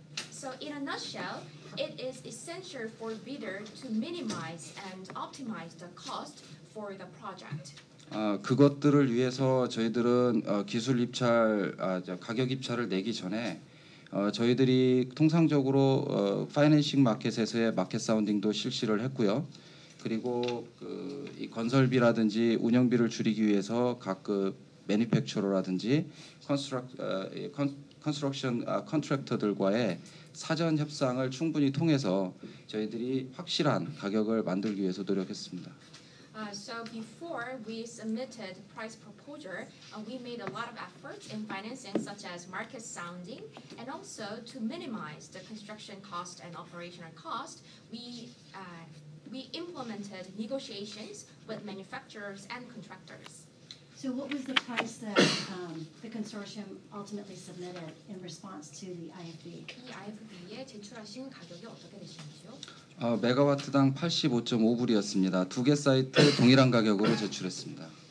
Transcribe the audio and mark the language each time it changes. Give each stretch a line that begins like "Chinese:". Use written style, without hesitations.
English: So in a nutshell, it is essential for bidder to minimize and optimize the cost for the project.
Korean: 그것들을 위해서 저희들은 기술 입찰, 가격 입찰을 내기 전에 저희들이 통상적으로 파이낸싱 마켓에서의 마켓 사운딩도 실시를 했고요. 그리고 그 이 건설비라든지 운영비를 줄이기 위해서 각 그 매니팩처러라든지 컨스트럭션 컨트랙터들과의 사전 협상을 충분히 통해서 저희들이 확실한 가격을 만들기 위해서 노력했습니다.
English: So before we submitted price proposal, we made a lot of efforts in financing, such as market sounding, and also to minimize the construction cost and operational cost, we implemented negotiations with manufacturers and contractors. So what was the price that the consortium ultimately submitted in response to the IFB?
Korean: 이 IFB에 제출하신 가격이 어떻게 되셨는지요? 메가와트당 85.5불이었습니다. 두 개 사이트 동일한 가격으로 제출했습니다.